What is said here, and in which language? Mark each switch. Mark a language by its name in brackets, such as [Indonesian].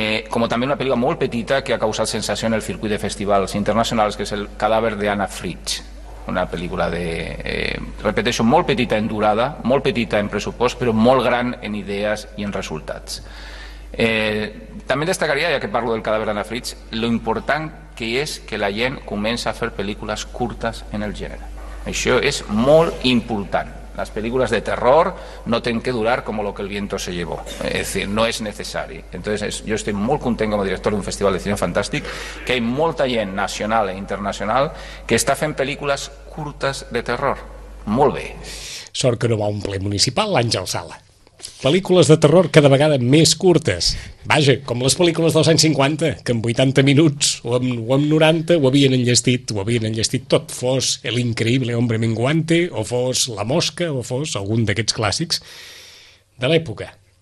[Catalan] Com també una pel·lícula molt petita que ha causat sensació en el circuit de festivals internacionals, que és El cadàver d'Anna Fritsch, una pel·lícula de, repeteixo, molt petita en durada, molt petita en pressupost, però molt gran en idees i en resultats. També destacaria, ja que parlo del cadàver d'Anna Fritsch, lo important que és que la gent comença a fer pel·lícules curtes en el gènere. Això és molt important. [Spanish] Las películas de terror no tienen que durar como Lo que el viento se llevó. Es decir, no es necesario. Entonces, yo estoy muy contento como director de un festival de cine fantástico que hay mucha gente nacional e internacional que está haciendo películas curtas de terror. Muy bien. [Catalan] Sort que no va omplir municipal l'Àngel Sala. Pel·lícules de terror cada vegada més curtes. Vaja, com les pel·lícules dels anys 50, que en 80 minuts o en 90 ho havien enllestit tot, fos El increïble hombre menguante, o fos La mosca, o fos algun d'aquests clàssics de l'època.